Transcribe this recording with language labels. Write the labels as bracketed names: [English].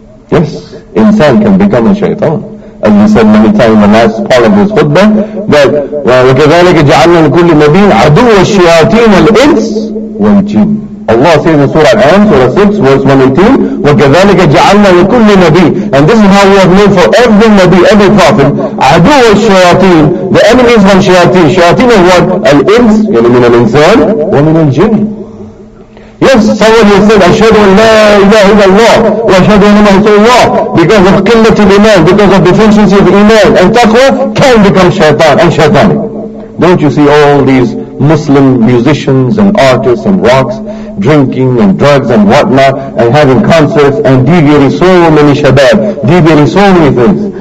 [English] Yes, insan can become a shaitan. As we said many times in the last part of this khutbah, that [Arabic] وَكَذَلَكَ جَعَلْنَا لِكُلِّ نَبِيٍ عَدُوَ الشَّيَاطِينَ الْإِنسِ وَالْجِنِ. [English] Allah says in Surah Al-An, Surah 6, verse 118, [Arabic] وَكَذَلَكَ جَعَلْنَا لِكُلِّ نَبِيٍ. [English] And this is how we have made for every Nabi, every Prophet, [Arabic] عَدُوَ الشَّيَاطِينَ, [English] the enemies from shayateen. Shayateen is what? [Arabic] Al-Ins, yani min al-insan, wa min al-jinn. [English] Yes, someone has said, [Arabic] أَشْهَدُ أَنْ لَا إِلَهَ إِلَّا اللَّهُ وَأَشْهَدُ أَنَّ مُحَمَّدًا رَسُولُ. [English] Because of [Arabic] قِلَّة الإيمان, [English] because of deficiency of Iman and Taqwa, can become shaitan and shaitani. Don't you see all these Muslim musicians and artists and rocks drinking and drugs and whatnot and having concerts and deviating so many shabab, deviating so many things.